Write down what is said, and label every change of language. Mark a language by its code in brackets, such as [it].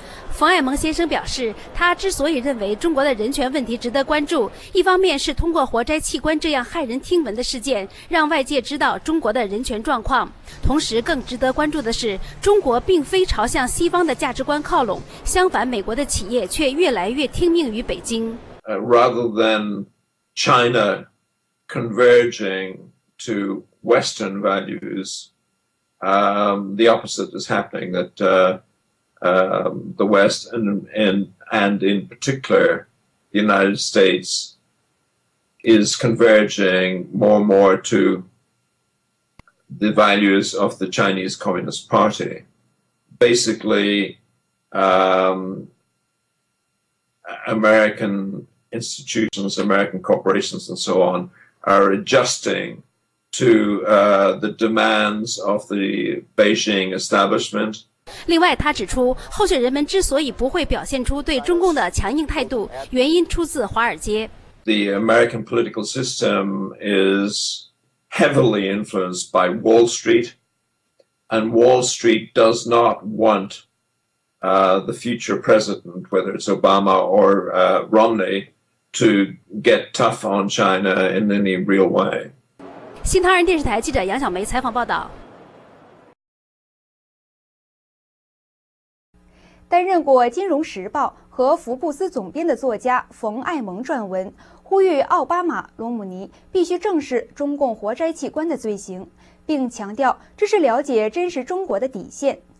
[zh] 冯爱萌先生表示，他之所以认为中国的人权问题值得关注，一方面是通过活摘器官这样骇人听闻的事件，让外界知道中国的人权状况。同时更值得关注的是，中国并非朝向西方的价值观靠拢，相反，美国的企业却越来越听命于北京。 [en] Rather than China converging to Western values, the opposite is happening, that the West and in particular the United States is converging more and more to the values of the Chinese Communist Party. Basically, American institutions, American corporations and so on are adjusting to the demands of the Beijing establishment. [zh] 另外，他指出，候选人们之所以不会表现出对中共的强硬态度，原因出自华尔街。 [en] The American political system is heavily influenced by Wall Street, and Wall Street does not want the future president, whether it's Obama or Romney, to get tough on China in any real way. [zh] 新唐人电视台记者杨小梅采访报道。担任过《金融时报》和《福布斯》总编的作家冯爱萌撰文，呼吁奥巴马、罗姆尼必须正视中共活摘器官的罪行，并强调这是了解真实中国的底线。